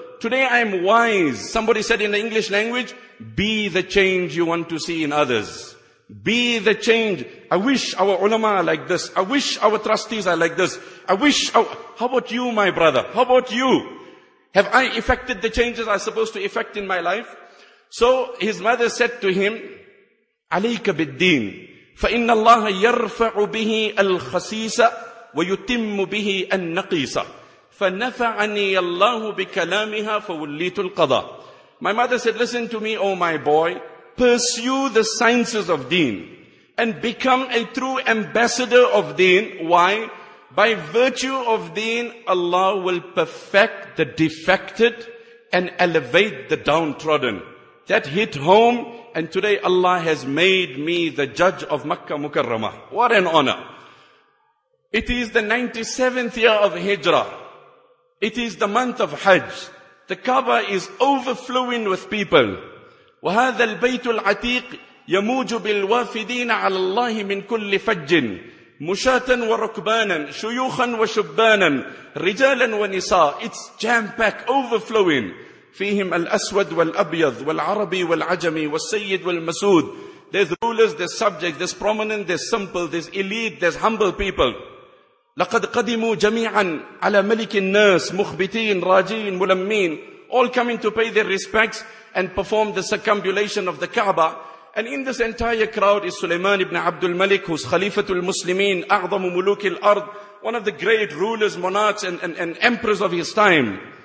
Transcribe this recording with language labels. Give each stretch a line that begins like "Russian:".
English: Today I'm wise. Somebody said in the English language, be the change you want to see in others. Be the change. I wish our ulama are like this. I wish our trustees are like this. I wish... How about you, my brother? How about you? Have I effected the changes I'm supposed to effect in my life? So his mother said to him,
Arabic: عَلَيْكَ بِالدِّينِ فَإِنَّ اللَّهَ يَرْفَعُ بِهِ الْخَسِيسَ وَيُتِمُّ بِهِ النَّقِيسَ فَنَفَعَنِي اللَّهُ بِكَلَامِهَا فَوُلِّيتُ الْقَضَى.
English: My mother said, listen to me, oh my boy. Pursue the sciences of deen and become a true ambassador of deen. Why? By virtue of deen, Allah will perfect the defected and elevate the downtrodden. That hit home, and today Allah has made me the judge of Makkah Mukarramah. What an honor. It is the 97th year of Hijrah. It is the month of Hajj. The Kaaba is overflowing with people.
Arabic: وَهَذَا الْبَيْتُ الْعَتِيقِ يَمُوجُ بِالْوَافِدِينَ عَلَى اللَّهِ مِنْ كُلِّ فَجٍّ مُشَاتًا وَرُكْبَانًا شُيُوخًا وَشُبَّانًا رِجَالًا وَنِسَاءً.
English: It's jam-packed, overflowing.
Arabic: فيهم الأسود والأبيض والعربي والعجمي والسيد والمسود.
English: There's rulers, there's subjects, there's prominent, there's simple, there's elite, there's humble people.
Arabic: لقد قدموا جميعا على ملك الناس مخبتين راجين ملمين.
English: All coming to pay their respects and perform the circumambulation of the Kaaba. And in this entire crowd is Sulaiman ibn Abdul Malik, who's Khalifatul Muslimin,
Arabic: أعظم ملوك الأرض,
English: one of the great rulers, monarchs and emperors of his time.